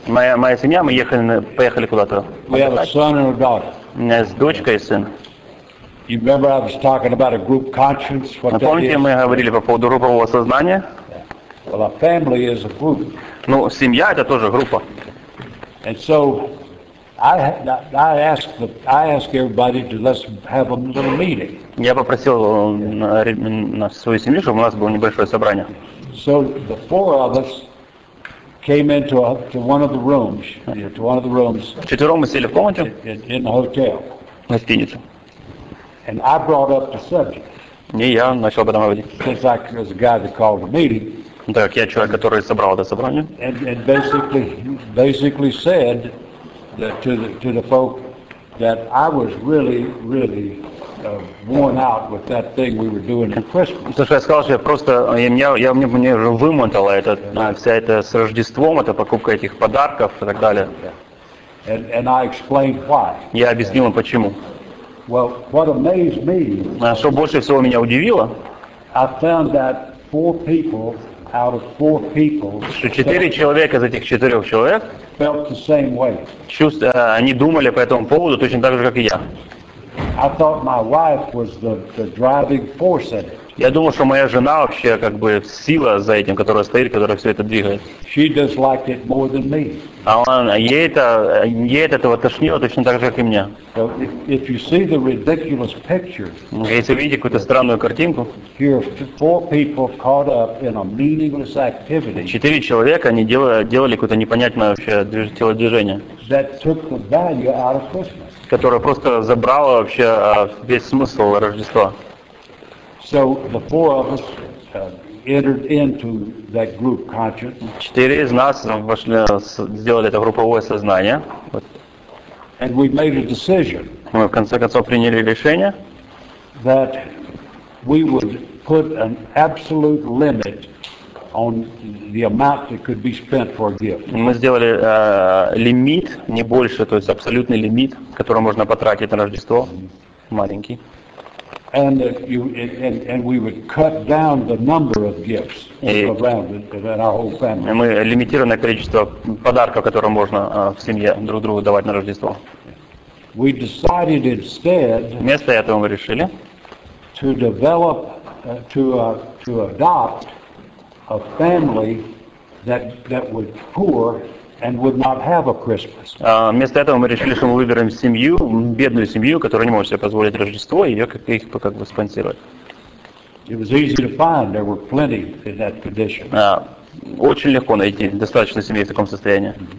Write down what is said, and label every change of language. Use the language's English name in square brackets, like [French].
[Russian] Моя семья, мы поехали куда-то. [English] We have a son and a daughter. [Russian] У меня есть дочка и сын. [English] You remember I was talking about a group conscience? [Russian] Помните, мы говорили по поводу группового сознания? [English] Yeah. Well, a family is a group. [Russian] Ну, семья это тоже группа. [English] And so I ask everybody to let's have a little meeting. [Russian] Я попросил на свою семью, чтобы у нас было небольшое собрание. [English] So the four of us. Came into one of the rooms. [Russian] Вчетвером мы сели в комнате. [English] In the hotel. [Russian] В гостинице. [English] And I brought up the subject. [Russian] И я начал об этом говорить. [English] Since I was the guy that called the meeting. [Russian] Так я человек, который собрал это собрание. [English] And basically said that to the folk that I was really really worn out with that thing we were doing at Christmas. [Russian] То, что я сказал, что я просто, мне уже вымотало это, вся эта с Рождеством, это покупка этих подарков и так далее. [English] And I explained why. [Russian] Я объяснил им почему. [English] Well, what amazed me. [Russian] Что больше всего меня удивило. [English] I found that four people out of four people, [Russian] что четыре человека из этих четырех человек [English] felt the same way. [Russian] Они думали по этому поводу точно так же, как и я. [English] I thought my wife was the driving force in it. [Russian] Я думал, что моя жена вообще как бы сила за этим, которая стоит, которая все это двигает. [English] She disliked it more than me. [Russian] А ей от этого тошнило точно так же, как и мне. [English] So if you see the ridiculous picture, [Russian] если вы видите какую-то странную картинку, [English] here are four people caught up in a meaningless activity. [Russian] Четыре человека, они делали какое-то непонятное вообще телодвижение. [English] That took the value out of Christmas. [Russian] Которое просто забрало вообще весь смысл Рождества. [English] So the four of us entered into that group consciousness. [Russian] Четыре из нас вошли, сделали это групповое сознание. [English] And we made a decision. [Russian] Мы в конце концов приняли решение. [English] That we would put an absolute limit on the amount that could be spent for a gift. [Russian] Мы сделали лимит, не больше, то есть абсолютный лимит, который можно потратить на Рождество, маленький. [English] And we would cut down the number of gifts around in our whole family. [Russian] Мы лимитированное количество подарков, которые можно в семье друг другу давать на Рождество. [English] We decided instead. [Russian] Вместо этого мы решили [English] to develop to adopt a family that was poor and would not have a Christmas. [Russian] Вместо этого мы решили, что мы выберем семью, бедную семью, которая не может себе позволить Рождество, и ее как бы спонсировать. [English] It was easy to find. There were plenty in that condition. [Russian] Очень легко найти достаточно семей в таком состоянии.